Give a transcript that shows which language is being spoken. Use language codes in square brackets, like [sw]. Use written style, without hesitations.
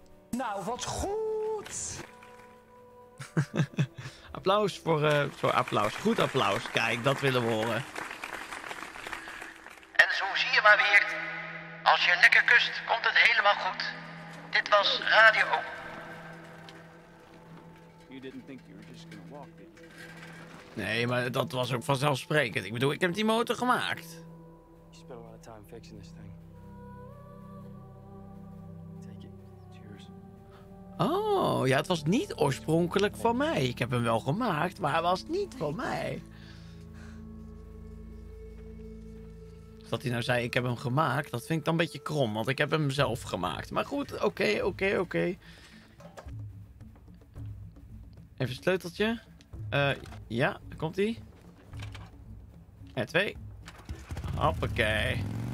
[nl] Nou, wat goed! Applaus voor applaus. Goed applaus. Kijk, dat willen we horen. En zo zie je maar weer. Als je lekker kust, komt het helemaal goed. Dit was Radio. [en] You didn't think you were just gonna walk, did you? [nl] Nee, maar dat was ook vanzelfsprekend. Ik bedoel, ik heb die motor gemaakt. [en] You spent a lot of time fixing this thing. Take it. It's yours. [nl] Oh, ja, het was niet oorspronkelijk van mij. Ik heb hem wel gemaakt, maar hij was niet van mij. Dat hij nou zei, ik heb hem gemaakt, dat vind ik dan een beetje krom, want ik heb hem zelf gemaakt. Maar goed, oké. Even een sleuteltje. Ja, daar komt ie. En twee. Hoppakee.